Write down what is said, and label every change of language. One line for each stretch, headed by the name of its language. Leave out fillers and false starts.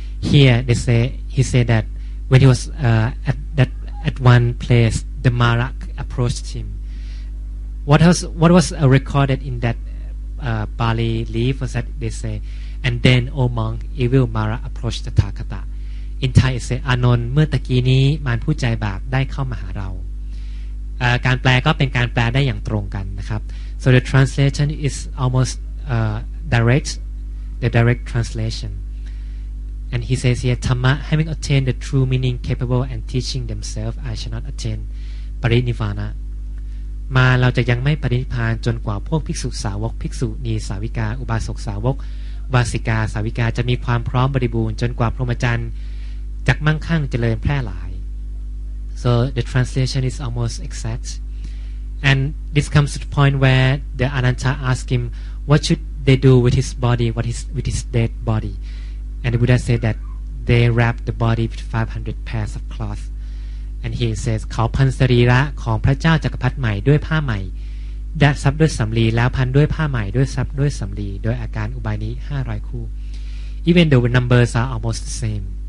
English: Here they say he said that when he was at one place the Marak approached him. What was recorded in that Bali leaf was that they say, and then, O monk, evil Marak approached the Tathagata. In Thai, it says, Anon,
Thai: เมื่อตะกี้นี้มารผู้ใจบาปได้เข้ามาหาเราการแปลก็เป็นการแปลได้อย่างตรงกันนะครับ
English: So the translation is almost the direct translation. And he says here, Tama, having attained the true meaning capable and teaching themselves, I shall not attain Parinivana.
Thai: มาเราจะยังไม่ปรินิพพานจนกว่าพวกภิกษุสาวกภิกษุณีสาวิกาอุบาสกสาวกวาสิกาสาวิกาจะมีความพร้อมบริบูรณ์จนกว่าพรหมจรรย์จักมั่งคั่งเจริญแพร่หลาย
English: So the translation is almost exact. And this comes to the point where the Ananta asked him, what should they do with his body, with his dead body? And the Buddha said that they wrap the body with 500 pairs of cloth. And he says,
Thai: เขาพันสรีระของพระเจ้าจักรพรรดิใหม่ด้วยผ้าใหม่ดัดซับด้วยสำลีแล้วพันด้วยผ้าใหม่ด้วยซับด้วยสำลีโดยอาการอุบายนี้500คู่
English: Even the numbers are almost the same.